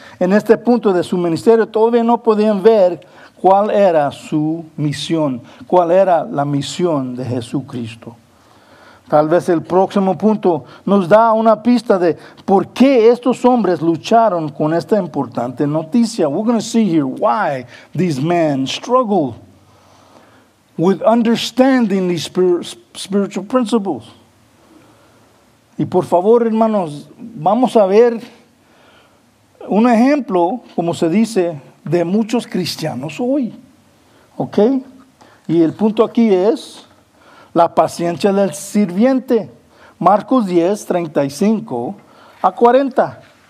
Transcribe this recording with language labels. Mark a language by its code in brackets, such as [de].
[es] En este punto de su ministerio todavía no podían ver cuál era su misión, cuál era la misión de Jesucristo. Tal vez el próximo punto nos da una pista de por qué estos hombres lucharon con esta importante noticia. [en] We're going to see here why these men struggled with understanding these spiritual principles. [es] Y por favor, hermanos, vamos a ver un ejemplo, como se dice, de muchos cristianos hoy. ¿Ok? Y el punto aquí es la paciencia del sirviente. Marcos 10, 35 a 40.